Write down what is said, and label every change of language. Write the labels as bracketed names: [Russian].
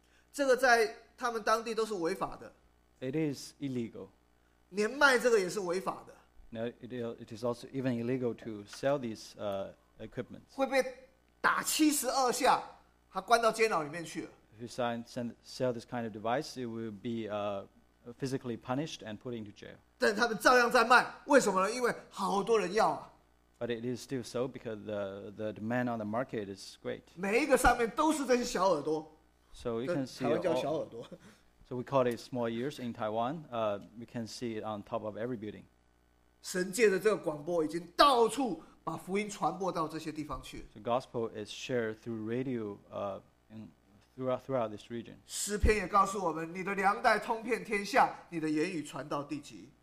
[Chinese] 这个在他们当地都是违法的。 [English] It is illegal. [Chinese] 连卖这个也是违法的。 [English] Now it is also even illegal to sell these equipment. [Chinese] 会被打七十二下，他关到监牢里面去了。 [English] If you sell this kind of device, it will be physically punished and put into jail. [Chinese] 但他们照样在卖，为什么呢？因为好多人要啊。 [English] But it is still so because the demand on the market is great. [Chinese] 每一个上面都是这些小耳朵。 [English] So you can see [Chinese] 台湾叫小耳朵。 [English] So we call it small ears in Taiwan. We can see it on top of every building. [Chinese] 神借着这个广播已经到处把福音传播到这些地方去。 [English] The gospel is shared through radio. Throughout this region. [Chinese] 诗篇也告诉我们，你的粮袋通遍天下，你的言语传到地极。